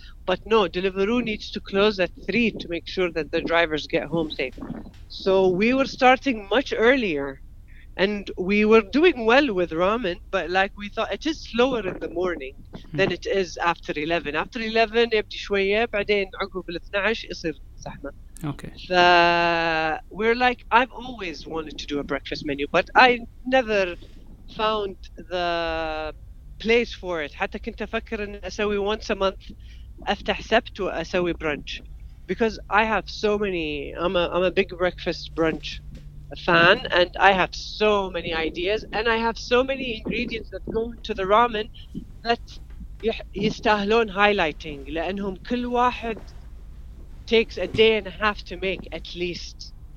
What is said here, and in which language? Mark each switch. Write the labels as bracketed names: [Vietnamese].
[English] But no, Deliveroo needs to close at 3 to make sure that the drivers get home safe. So we were starting much earlier. And we were doing well with ramen, but like we thought, it is slower in the morning than it is after 11. [Arabic] After 11, يبدي شوية، بعدين عقب الـ 12 يصير زحمة. [English] Okay. So we're like, I've always wanted to do a breakfast menu, but I never found the place for it. [Arabic] حتى كنت أفكر أن أسوي once a month أفتح سبت وأسوي brunch. [English] Because I have so many, I'm a big breakfast brunch a fan, and I have so many ideas, and I have so many ingredients that go into the ramen that يستاهلون highlighting, لأنهم كل واحد takes a day and a half to make at least.